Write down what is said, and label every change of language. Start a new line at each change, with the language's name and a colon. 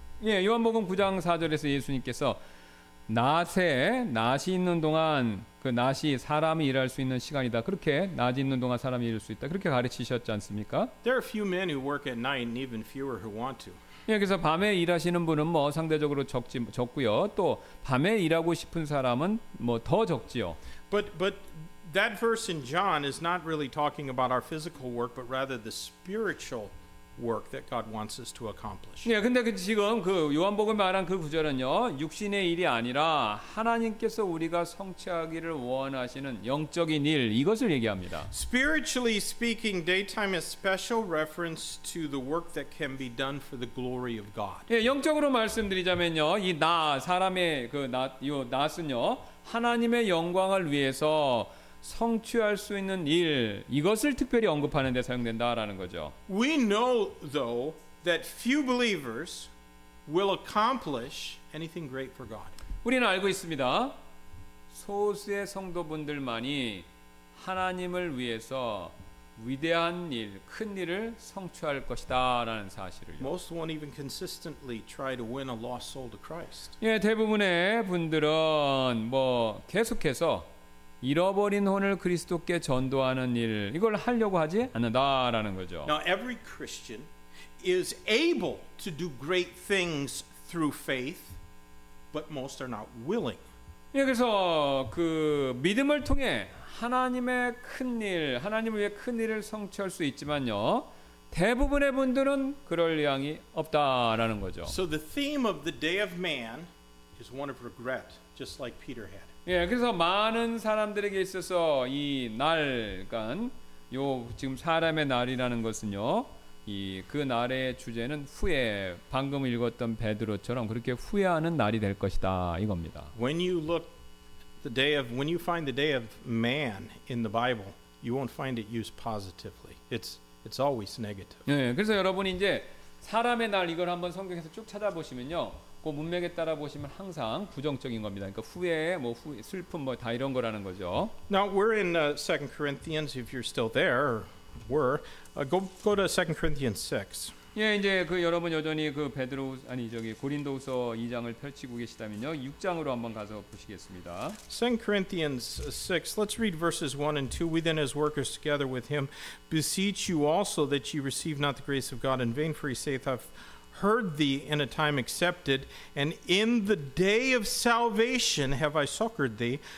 Korean: 예, 요한복음 9장 4절에서 예수님께서 낮에 낮이 있는 동안 그 낮이 사람이 일할 수 있는 시간이다. 그렇게 낮이 있는 동안 사람이 일할 수 있다. 그렇게 가르치셨지 않습니까?
English: There are few men who work at night, and even fewer who want to.
Korean: 예, 그래서 밤에 일하시는 분은 뭐 상대적으로 적고요. 또 밤에 일하고 싶은 사람은 뭐 더 적지요.
English: But that verse in John is not really talking about our physical work, but rather the spiritual work that God wants us to accomplish.
Korean: 예, 근데 그 지금 그 요한복음 말한 그 구절은요, 육신의 일이 아니라 하나님께서 우리가 성취하기를 원하시는 영적인 일 이것을 얘기합니다.
English: Spiritually speaking, daytime is special reference to the work that can be done for the glory of God.
Korean: 예, 영적으로 말씀드리자면요, 이 나 사람의 그 낮 요 낮은요 하나님의 영광을 위해서 성취할 수 있는 일 이것을 특별히 언급하는 데 사용된다라는 거죠.
English: We know though that few believers will accomplish anything great for God.
Korean: 우리는 알고 있습니다. 소수의 성도분들만이 하나님을 위해서 위대한 일, 큰 일을 성취할 것이다라는 사실을.
English: Most won't even consistently try to win a lost soul to Christ.
Korean: 예, 대부분의 분들은 뭐 계속해서 잃어버린 혼을 그리스도께 전도하는 일 이걸 하려고 하지 않는다라는 거죠.
English: Now every Christian is able to do great things through faith, but most are not willing.
Korean: 예, 그래서 그 믿음을 통해 하나님의 큰 일, 하나님을 위해 큰 일을 성취할 수 있지만요, 대부분의 분들은 그럴 의향이 없다라는 거죠.
English: So the theme of the day of man is one of regret, just like Peter had.
Korean: 예, 그래서 많은 사람들에게 있어서 이 날, 그러니까 요 지금 사람의 날이라는 것은요, 이 그 날의 주제는 후회. 방금 읽었던 베드로처럼 그렇게 후회하는 날이 될 것이다 이겁니다.
English: When you look the day of when you find the day of man in the Bible, you won't find it used positively. It's always negative.
Korean: 예, 그래서 여러분 이제 사람의 날 이걸 한번 성경에서 쭉 찾아보시면요. 그 문맥에 따라 보시면 항상 부정적인 겁니다. 그러니까 후회, 뭐 후회, 슬픔 뭐 다 이런 거라는 거죠.
English: Now we're in 2 Corinthians if you're still there go to 2 Corinthians 6.
Korean: 예, 이제 그 여러분 여전히 그 베드로 아니 저기 고린도후서 2장을 펼치고 계시다면요. 6장으로 한번 가서 보시겠습니다.
English: 2 Corinthians 6. Let's read verses 1 and 2. We then as workers together with him beseech you also that you receive not the grace of God in vain for he saith heard thee in a time accepted, and in the day of salvation have I succored thee.